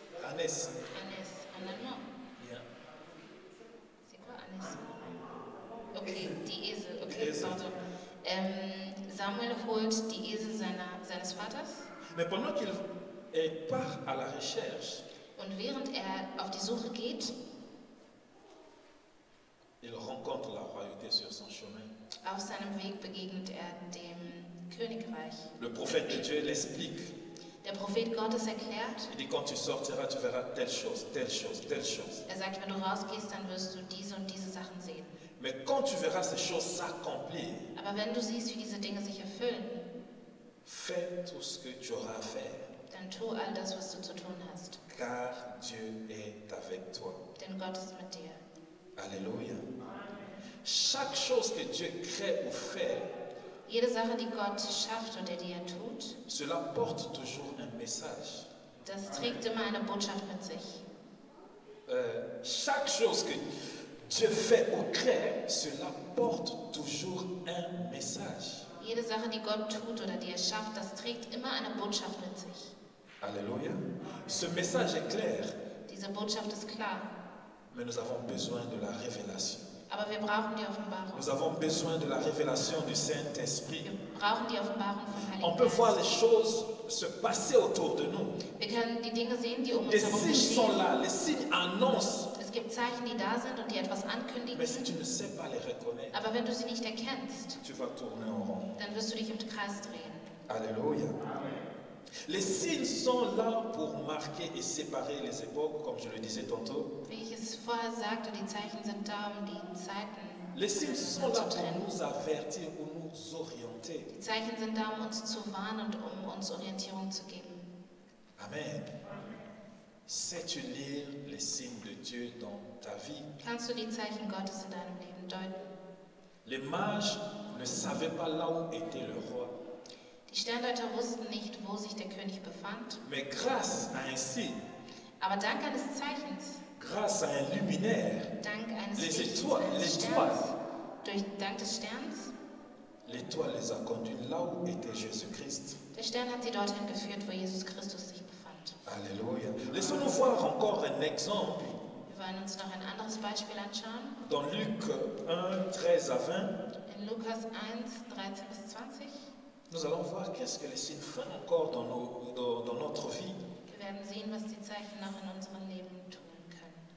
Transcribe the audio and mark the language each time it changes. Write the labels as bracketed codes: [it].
[fr] Ânesses. Ânesses. En allemand. Yeah. C'est quoi ânesses? Ok, [de] die Esel. [fr] Okay, pardon. [de] Samuel holt die Esel seiner. Vaters. [fr] Mais pendant qu'il part à la recherche, [de] und während er auf die Suche geht, [fr] il rencontre la royauté sur son chemin. [de] Auf seinem Weg begegnet er dem Königreich. [fr] Le prophète de Dieu l'explique. [de] Der Prophet Gottes erklärt. [fr] Il dit, quand tu sortiras, tu verras telle chose, telle chose, telle chose. [de] Er sagt, wenn du rausgehst, dann wirst du diese und diese Sachen sehen. [fr] Mais quand tu verras ces choses s'accomplir, [de] aber wenn du siehst, wie diese Dinge sich erfüllen, [fr] fais tout ce que tu auras à faire. [de] Dann tu all das, was du zu tun hast. [fr] Car Dieu est avec toi. [de] Denn Gott ist mit dir. [fr] Alléluia. Chaque chose que Dieu crée ou fait, [de] jede Sache, die Gott schafft oder die er tut, [fr] cela porte toujours un message. [de] Das trägt immer eine Botschaft mit sich. [fr] Chaque chose que Dieu fait ou crée, cela porte toujours un message. [de] Jede Sache, die Gott tut oder die er schafft, das trägt immer eine Botschaft mit sich. [fr] Alléluia. Ce message est clair. [de] Diese Botschaft ist klar. [fr] Mais nous avons besoin de la révélation. [de] Aber wir brauchen die Offenbarung. [fr] Nous avons besoin de la révélation du Saint-Esprit. [de] Wir brauchen die Offenbarung vom Heiligen Geist. [fr] On peut voir les choses se passer autour de nous. [de] Wir können die Dinge sehen, die um uns herum geschehen. [fr] Les signes sont là, les signes annoncent. [de] Es gibt Zeichen, die da sind und die etwas ankündigen. [fr] Mais si tu ne sais pas les reconnaître, [de] aber wenn du sie nicht erkennst, [fr] tu vas tourner en rond. [de] Dann wirst du dich im Kreis drehen. [fr] Alléluia. Amen. Les signes sont là pour marquer et séparer les époques, comme je le disais tantôt. [de] Wie ich es vorher sagte, die Zeichen sind da, um die Zeiten zu trennen. [fr] Les signes sont là pour nous avertir ou nous orienter. [de] Die Zeichen sind da, um uns zu warnen und um uns Orientierung zu geben. [fr] Amen. Sais-tu lire les signes de Dieu dans ta vie? [de] Kannst du die Zeichen Gottes in deinem Leben deuten? [fr] Les mages ne savaient pas là où était le roi. [de] Die Sterndeuter wussten nicht, wo sich der König befand. [fr] Mais grâce à un signe, [de] aber dank eines Zeichens, [fr] grâce à un luminaire, [de] dank eines [fr] les étoiles, [de] eines les Sterns, durch dank des Sterns, [fr] l'étoile les a conduits là où était Jésus-Christ. [de] Der Stern hat sie dorthin geführt, wo Jesus Christus sich befand. [fr] Alléluia. Laissons-nous voir encore un exemple. [de] Wir wollen uns noch ein anderes Beispiel anschauen. [fr] Dans Luc 1, 13 à 20. [de] In Lukas 1, 13 bis 20. [fr] Nous allons voir qu'est-ce que les signes font encore dans, dans notre vie. [de] Wir werden sehen, was die Zeichen noch in unserem Leben tun können.